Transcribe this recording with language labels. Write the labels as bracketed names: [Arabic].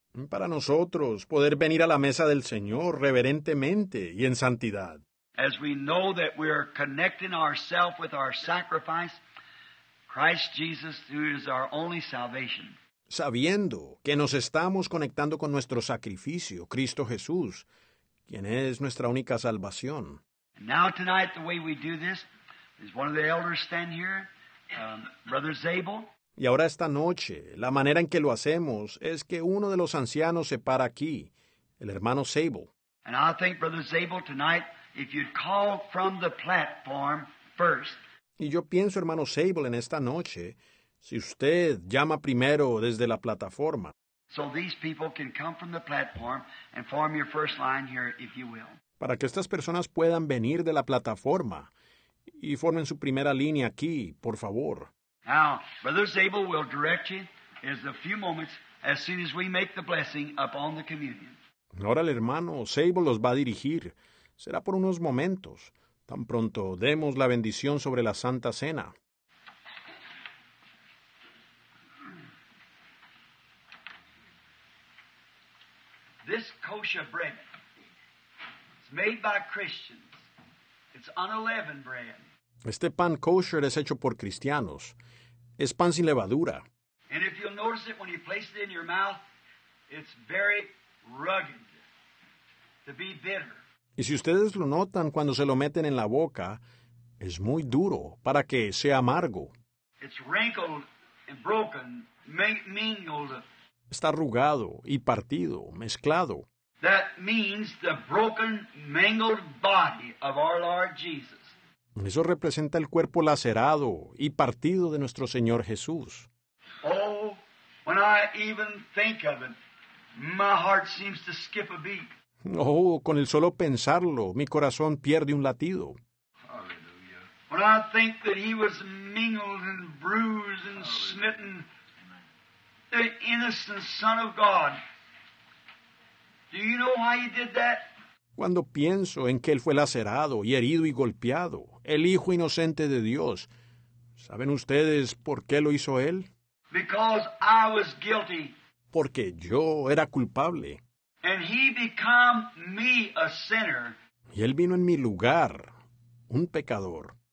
[Spanish] Para nosotros poder venir a la mesa del Señor reverentemente y en santidad. [English] As we know that we are connecting ourselves with our sacrifice, Christ Jesus, who is our only salvation. [Spanish] Sabiendo que nos estamos conectando con nuestro sacrificio, Cristo Jesús, quien es nuestra única salvación. [English] Now tonight, the way we do this is one of the elders stand here, Brother Zabel. [Spanish] Y ahora esta noche, la manera en que lo hacemos es que uno de los ancianos se para aquí, el hermano Zabel. [English] And I think Brother Zabel tonight, if you'd call from the platform first. [Spanish] Y yo pienso, hermano Zabel, en esta noche, si usted llama primero desde la plataforma. [English] So these people can come from the platform and form your first line here, if you will. [Spanish] Para que estas personas puedan venir de la plataforma y formen su primera línea aquí, por favor. [English] Now, Brother Zabel will direct you in a few moments as soon as we make the blessing upon the communion. [Spanish] Ahora el hermano Zabel los va a dirigir. Será por unos momentos, tan pronto demos la bendición sobre la Santa Cena. [English] This kosher bread is made by Christians. It's unleavened bread. [Spanish] Este pan kosher es hecho por cristianos. Es pan sin levadura. [English] And if you'll notice it when you place it in your mouth, it's very rugged to be bitter. [Spanish] Y si ustedes lo notan cuando se lo meten en la boca, es muy duro para que sea amargo. [English] It's wrinkled and broken, mingled. [Spanish] Está arrugado y partido, mezclado. [English] That means the broken, mangled body of our Lord Jesus. [Spanish] Eso representa el cuerpo lacerado y partido de nuestro Señor Jesús. [English] Oh, when I even think of it, my heart seems to skip a beat. [Spanish] Oh, con el solo pensarlo, mi corazón pierde un latido. [English] Hallelujah. When I think that he was mingled and bruised and Hallelujah. Smitten, the innocent Son of God. Do you know why he did that? [Spanish] Cuando pienso en que él fue lacerado y herido y golpeado, el Hijo inocente de Dios, ¿saben ustedes por qué lo hizo él? [English] Because I was guilty. [Spanish] Porque yo era culpable. [English] And he became me a sinner. [Spanish] Y él vino en mi lugar, un pecador.